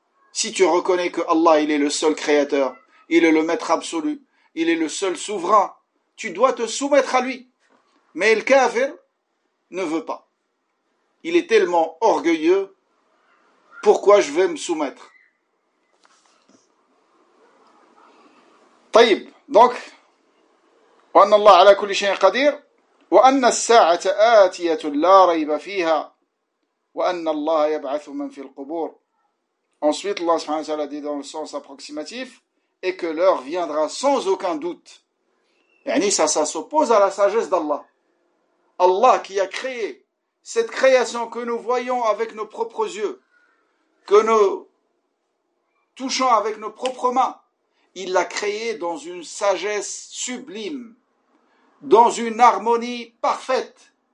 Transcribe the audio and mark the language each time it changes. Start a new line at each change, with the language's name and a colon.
French: Si tu reconnais que Allah, il est le seul créateur, il est le maître absolu, il est le seul souverain, tu dois te soumettre à lui. Mais le kafir ne veut pas. Il est tellement orgueilleux, pourquoi je vais me soumettre?
Arabic: طيب,
French: donc,
Arabic: وأن الله على كل شيء قدير وأن الساعة آتية لا ريب فيها وأن الله يبعث من في القبور.
French: Ensuite, Allah subhanahu wa ta'ala dit dans le sens approximatif, et que l'heure viendra sans aucun doute. Yani ça s'oppose à la sagesse d'Allah. Allah qui a créé cette création que nous voyons avec nos propres yeux, que nous touchons avec nos propres mains, il l'a créé dans une sagesse sublime, dans une harmonie parfaite.